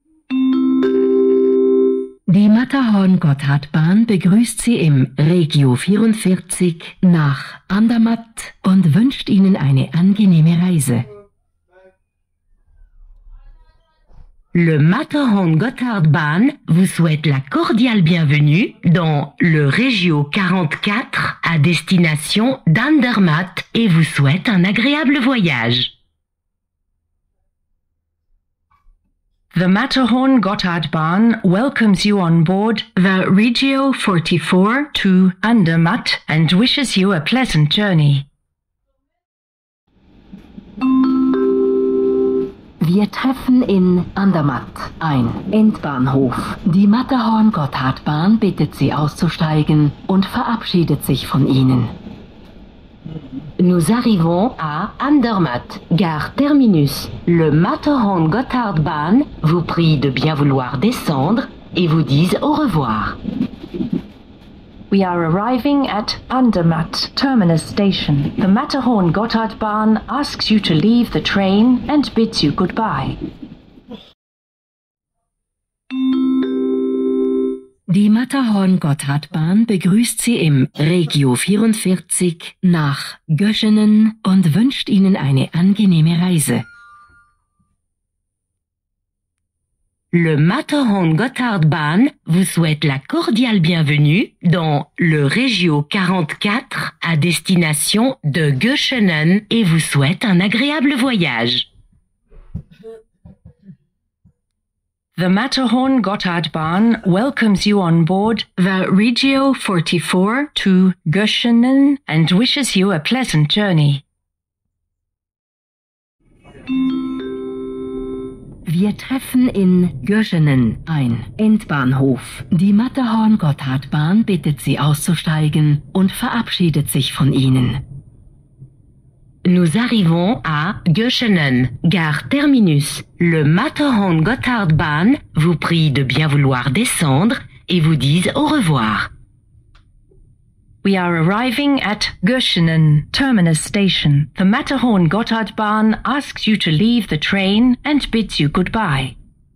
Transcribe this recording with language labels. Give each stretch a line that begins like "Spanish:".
German: Die Matterhorn-Gotthardbahn begrüßt Sie im Regio 44 nach Andermatt und wünscht Ihnen eine angenehme Reise.
French: Le Matterhorn-Gotthardbahn vous souhaite la cordiale bienvenue dans le Regio 44 à destination d'Andermatt et vous souhaite un agréable voyage.
English: The Matterhorn-Gotthardbahn welcomes you on board the Regio 44 to Andermatt and wishes you a pleasant journey.
German: Wir treffen in Andermatt ein, Endbahnhof. Die Matterhorn-Gotthardbahn bittet Sie auszusteigen und verabschiedet sich von Ihnen.
French: Nous arrivons à Andermatt, gare Terminus. Le Matterhorn-Gotthardbahn vous prie de bien vouloir descendre et vous dise au revoir.
English: We are arriving at Andermatt, Terminus Station. The Matterhorn-Gotthardbahn asks you to leave the train and bids you goodbye.
German: Die Matterhorn-Gotthardbahn begrüßt Sie im Regio 44 nach Göschenen und wünscht Ihnen eine angenehme Reise.
French: Le Matterhorn-Gotthardbahn vous souhaite la cordiale bienvenue dans le Regio 44 à destination de Göschenen et vous souhaite un agréable voyage.
English: The Matterhorn-Gotthardbahn welcomes you on board the Regio 44 to Göschenen and wishes you a pleasant journey.
German: Wir treffen in Göschenen ein, Endbahnhof. Die Matterhorn-Gotthardbahn bittet Sie auszusteigen und verabschiedet sich von Ihnen.
French: Nous arrivons à Göschenen, gare Terminus. Le Matterhorn-Gotthardbahn vous prie de bien vouloir descendre et vous dise au revoir.
English: We are arriving at Göschenen, Terminus Station. The Matterhorn-Gotthardbahn asks you to leave the train and bids you goodbye.